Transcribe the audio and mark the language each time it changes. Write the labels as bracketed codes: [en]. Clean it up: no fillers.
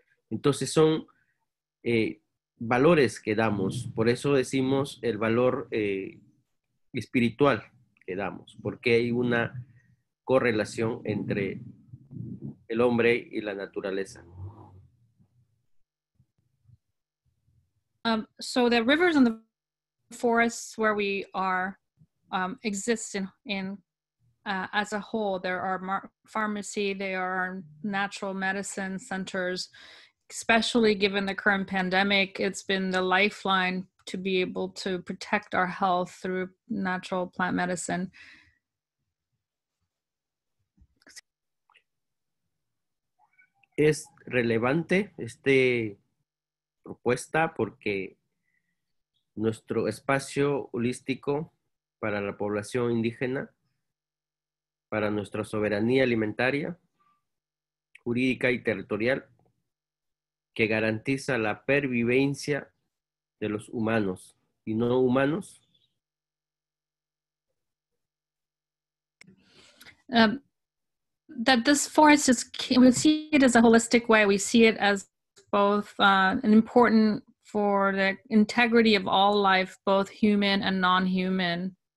[es] Entonces son valores que damos, por eso decimos el valor espiritual que damos, porque hay una correlación entre el hombre y la naturaleza. [en] So the rivers and the forests where we are exist as a whole. There are pharmacy, there are natural medicine centers. Especially given the current pandemic, it's been the lifeline to be able to protect our health through natural plant medicine. [es] Es relevante esta propuesta porque nuestro espacio holístico para la población indígena, para nuestra soberanía alimentaria, jurídica y territorial, que garantiza la pervivencia de los humanos y no humanos. [en] That this forest is, we see it as a holistic way. We see it as both important for the integrity of all life, both human and non-human.